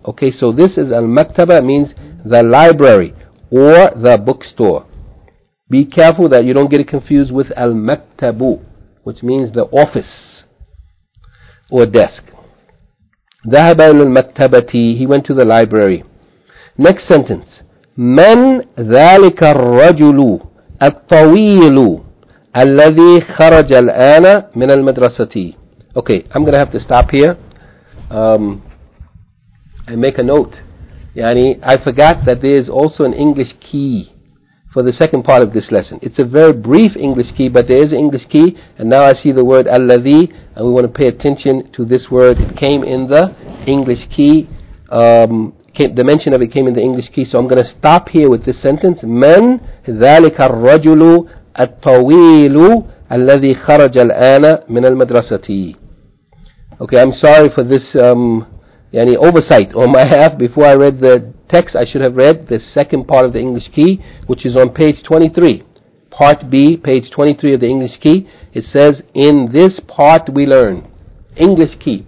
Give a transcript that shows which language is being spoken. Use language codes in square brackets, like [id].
[en] Okay, so this is al-maktaba, means the library or the bookstore. Be careful that you don't get it confused with al-maktabu, which means the office or desk. [ar] ذهب إلى المكتبة, [en] he went to the library. Next sentence. [ar] من ذلك الرجل الطويل الذي خرج الآن من المدرسة. [en] Okay, I'm going to have to stop here and make a note. يعني, I forgot that there is also an English key for the second part of this lesson. It's a very brief English key, but there is an English key, and now I see the word alladhi, and we want to pay attention to this word. It came in the English key. The mention of it came in the English key, so I'm going to stop here with this sentence. [ar] من ذلك الرجل الطويل الذي خرج الآن من المدرسة. [en] Okay, I'm sorry for this any oversight on my half. Before I read the text, I should have read the second part of the English key, which is on page 23. Part B, page 23 of the English key. It says, in this part we learn. English key.